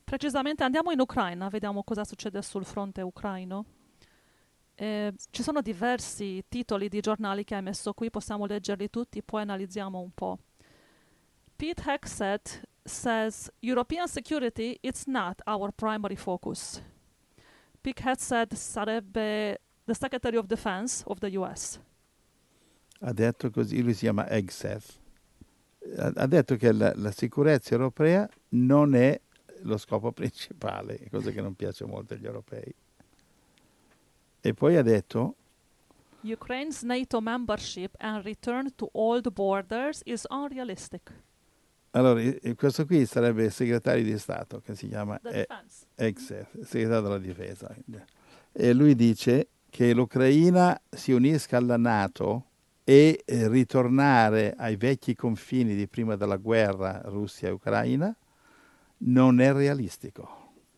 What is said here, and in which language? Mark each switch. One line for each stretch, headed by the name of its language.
Italian: Precisamente andiamo in Ucraina, vediamo cosa succede sul fronte ucraino. Ci sono diversi titoli di giornali che hai messo qui, possiamo leggerli tutti, poi analizziamo un po'.
English: Pete Hegseth says, European security is not our primary focus.
Italian: Pete Hegseth sarebbe
English: the Secretary of Defense of the US.
Italian: Ha detto così, lui si chiama Hegseth, ha detto che la sicurezza europea non è lo scopo principale, cosa che non piace molto agli europei. E poi ha detto,
English: Ukraine's NATO membership and return to old borders is unrealistic.
Italian: allora, questo qui sarebbe il segretario di Stato, che si chiama
English: The defense.
Italian: Hegseth, segretario della difesa. E lui dice che l'Ucraina si unisca alla NATO e ritornare ai vecchi confini di prima della guerra Russia-Ucraina non è realistico.